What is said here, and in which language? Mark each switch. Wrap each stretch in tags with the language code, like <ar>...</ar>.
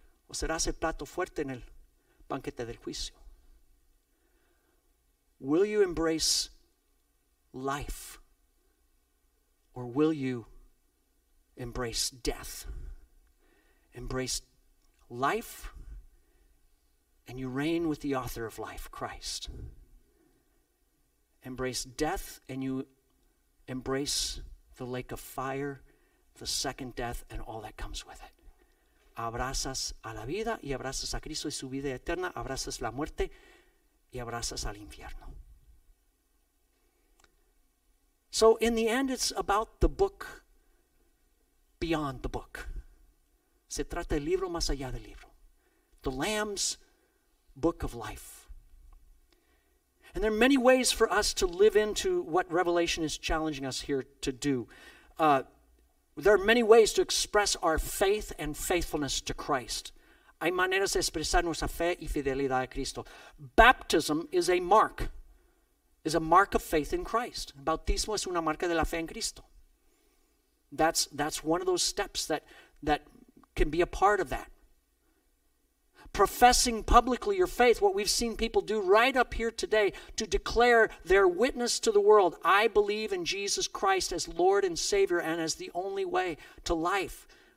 <es>¿O serás el plato fuerte en el banquete del juicio?</es> <en>Will you embrace life, or will you embrace death? Embrace life, and you reign with the author of life, Christ. Embrace death, and you embrace the lake of fire, the second death, and all that comes with it.</en> <es>Abrazas a la vida, y abrazas a Cristo y su vida eterna. Abrazas la muerte, y abrazas al infierno.</es> <en>So in the end, it's about the book beyond the book.</en> <es>Se trata del libro más allá del libro.</es> <en>The Lamb's book of life. And there are many ways for us to live into what Revelation is challenging us here to do. There are many ways to express our faith and faithfulness to Christ.</en> <es>Hay maneras de expresar nuestra fe y fidelidad a Cristo.</es> <en>Baptism is a mark. Is a mark of faith in Christ.</en> <es>Bautismo es una marca de la fe en Cristo.</es> <en>That's one of those steps that can be a part of that. Professing publicly your faith, what we've seen people do right up here today, to declare their witness to the world: I believe in Jesus Christ as Lord and Savior and as the only way to life.</en>